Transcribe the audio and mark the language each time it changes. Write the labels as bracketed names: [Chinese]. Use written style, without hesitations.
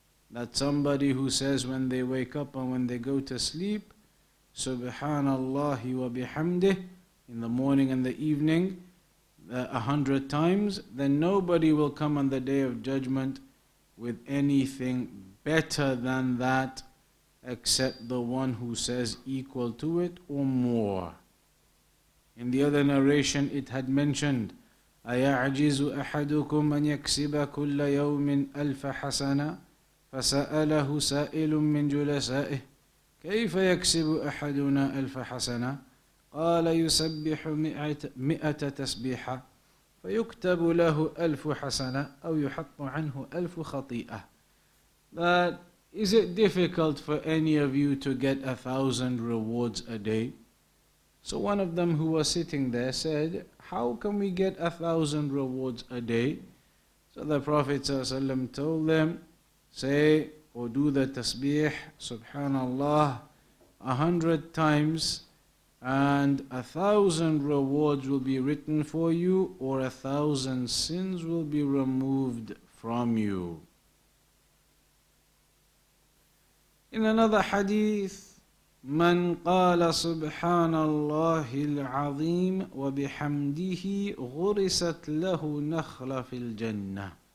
[English] That somebody who says when they wake up and when they go to sleep, Subhanallah wa bihamdih, in the morning and the evening, 100 times, then nobody will come on the Day of Judgment with anything better than that, except the one who says equal to it or more. In the other narration, it had mentioned, [Arabic] أَيَعْجِزُ أَحَدُكُمْ أَنْ يَكْسِبَ كُلَّ يَوْمٍ أَلْفَ حَسَنَةً فسأله سائل من جلسائه كيف يكسب أحدنا ألف حسنة قال يسبح مئة تسبيحة فيكتب له ألف حسنة أو يحط عنه ألف خطيئة. [English] That is it difficult for any of you to get 1,000 rewards a day? So one of them who was sitting there said, how can we get 1,000 rewards a day? So the Prophet ﷺ told them, say, or do the tasbih, Subhanallah, 100 times, and 1,000 rewards will be written for you, or 1,000 sins will be removed from you. In another hadith, [Arabic] من قال سبحان الله العظيم وبحمده غرست له نخلة في الجنة.